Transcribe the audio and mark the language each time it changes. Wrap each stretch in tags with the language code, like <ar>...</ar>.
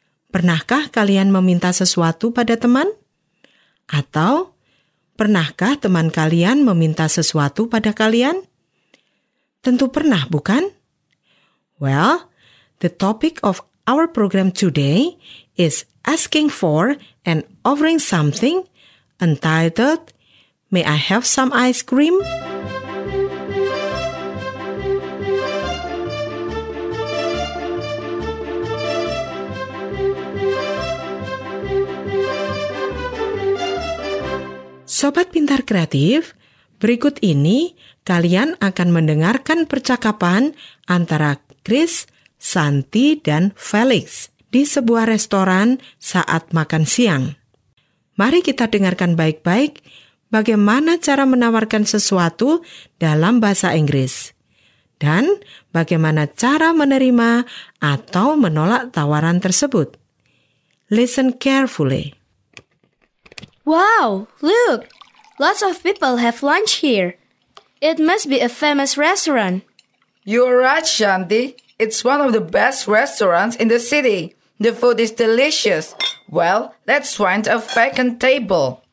<id>Pernahkah kalian meminta sesuatu pada teman? Atau, pernahkah teman kalian meminta sesuatu pada kalian? Tentu pernah, bukan?</id> <en>Well, the topic of our program today is asking for and offering something entitled, May I have some ice cream?</en> <id>Sobat Pintar Kreatif, berikut ini kalian akan mendengarkan percakapan antara Chris, Santi, dan Felix di sebuah restoran saat makan siang. Mari kita dengarkan baik-baik bagaimana cara menawarkan sesuatu dalam bahasa Inggris dan bagaimana cara menerima atau menolak tawaran tersebut.</id> <en>Listen carefully. Wow, look! Lots of people have lunch here. It must be a famous restaurant. You're right, Shanti. It's one of the best restaurants in the city. The food is delicious. Well, let's find a vacant table.</en>